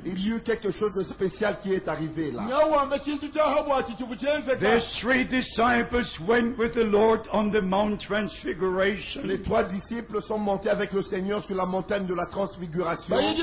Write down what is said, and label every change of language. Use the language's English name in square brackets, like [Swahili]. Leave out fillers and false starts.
[French] Il y a eu quelque chose de spécial qui est arrivé là. [English] The three disciples went with the Lord on the Mount Transfiguration. [French] Les trois disciples sont montés avec le Seigneur sur la montagne de la Transfiguration.